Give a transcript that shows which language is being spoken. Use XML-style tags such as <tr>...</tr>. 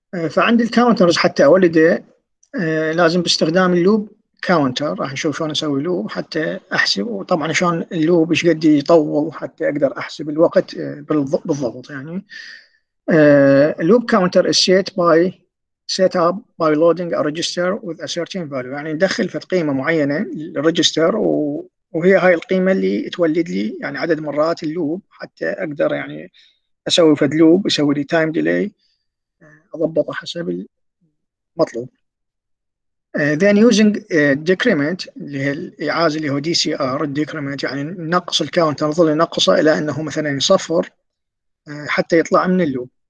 <ar>فعند الكاونترز حتى اولده لازم باستخدام اللوب كاونتر، راح نشوف شلون اسوي لوب حتى احسب، وطبعا شلون اللوب ايش قد يطول حتى اقدر احسب الوقت بالضبط. يعني</ar> <en>loop counter is set by set up by loading a register with a certain value.</en> <ar>يعني ندخل في قيمة معينة للريجستر وهي هاي القيمة اللي تولد لي يعني عدد مرات اللوب حتى أقدر يعني أسوي فد لوب يسوي لي time delay أضبطه حسب المطلوب.</ar> <en>Then using decrement</en> <ar>اللي هي الإعازة اللي هو DCR decrement، يعني نقص الكاونتر نظل نقصه إلى أنه مثلا يصفر حتى يطلع من اللوب.</ar>